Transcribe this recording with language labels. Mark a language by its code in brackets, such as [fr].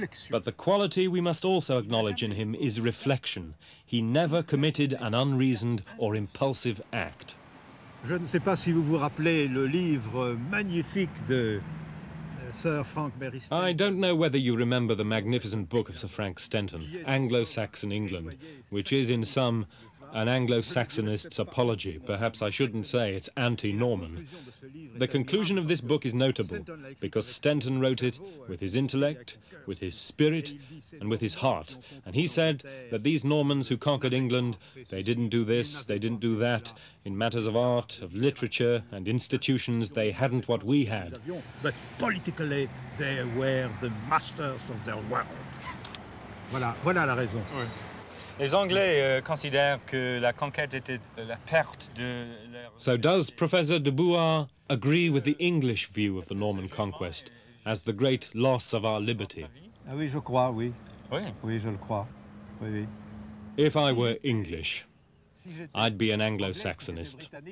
[en] But the quality we must also acknowledge in him is reflection. He never committed an unreasoned or impulsive act. [fr] Je ne sais pas si vous vous rappelez le livre magnifique de Sir Frank Beristain. [en] I don't know whether you remember the magnificent book of Sir Frank Stenton, Anglo-Saxon England, which is in some an Anglo-Saxonist's apology. Perhaps I shouldn't say it's anti-Norman. The conclusion of this book is notable because Stenton wrote it with his intellect, with his spirit, and with his heart. And he said that these Normans who conquered England, they didn't do this, they didn't do that. In matters of art, of literature, and institutions, they hadn't what we had. But politically, they were the masters of their world. [fr] Voilà, voilà la raison. Oui. Les Anglais considèrent que la conquête était la perte de leur... [en] So does Professor de Bouard agree with the English view of the Norman conquest as the great loss of our liberty? [fr] Ah oui, je crois, oui. Oui. Oui, je le crois. Oui, oui. [en] If I were English, I'd be an Anglo-Saxonist.